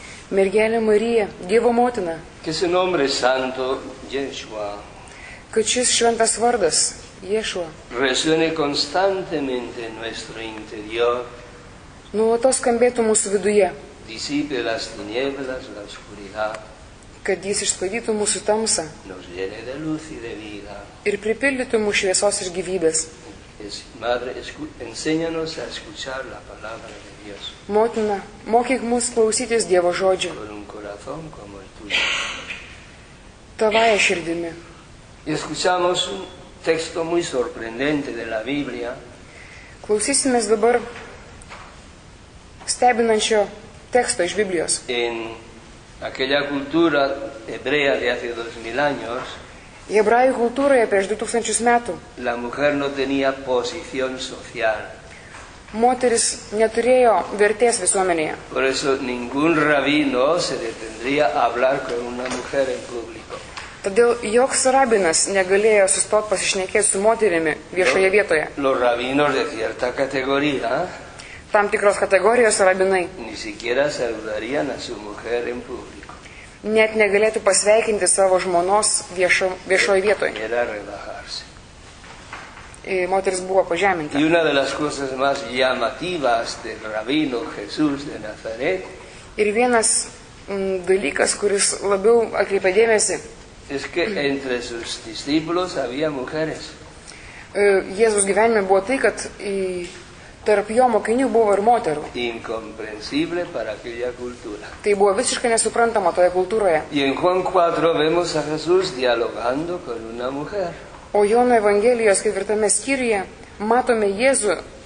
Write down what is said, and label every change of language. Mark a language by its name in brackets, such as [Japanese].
[Lithuanian] Mergelė Marija, Dievo motina. [Spanish] Que su nombre santo, Yeshua. [Lithuanian] Kad šis šventas vardas, Yeshua. [Spanish] Resuene constantemente en nuestro interior. [Lithuanian] Nuolatos skambėtų mūsų viduje. [Spanish] Disipe las tinieblas, la oscuridad. [Lithuanian] Kad jis išsklaidytų mūsų tamsą. [Spanish] Nos llene de luz y de vida. [Lithuanian] Ir pripildytų mūsų šviesos ir gyvybės. [Spanish] Madre, enséñanos a escuchar la palabra de Dios. [Lithuanian] Motina, mokyk mus klausytis Dievo žodžio. [Spanish] Con un corazón como el tuyo. [Lithuanian] Tavaja širdimi. [Spanish] Y escuchamos un texto muy sorprendente de la Biblia. [Lithuanian] Klausysimės dabar stebinančio teksto iš Biblijos. [Spanish] En aquella cultura hebrea de hace 2000 años. [Lithuanian] Hebrajų kultūroje prieš 2000 metų. [Spanish] La mujer no tenía posición social. [Lithuanian] Moteris neturėjo vertės visuomenėje. [Spanish] Por eso ningún rabino se detendría a hablar con una mujer en público. [Lithuanian] Todėl joks rabinas negalėjo sustoti pasišnekėti su moterimi viešoje vietoje. [Spanish] Los rabinos de cierta categoría. [Lithuanian] Tam tikros kategorijos rabinai. [Spanish] Ni siquiera saludarían a su mujer en público. [Lithuanian] Net negalėtų pasveikinti savo žmonos viešoje vietoje. [Spanish] Era relajarse. Y [Lithuanian] moteris buvo pažeminta. [Spanish] Y una de las cosas más llamativas del rabino Jesús de Nazaret. [Lithuanian] Ir vienas dalykas, kuris labiau atkreipė dėmesį. [Spanish] Es que entre sus discípulos había mujeres. [Lithuanian] Jėzus gyvenime buvo tai, kad tarp jo mokinių buvo ir moterų. [Spanish] Incomprensible para aquella cultura. [Lithuanian] Tai buvo visiškai nesuprantama toje kultūroje. [Spanish] Y en Juan 4 vemos a Jesús dialogando con una mujer. [Lithuanian] O Jono Evangelijos 4 skyriuje matome Jėzų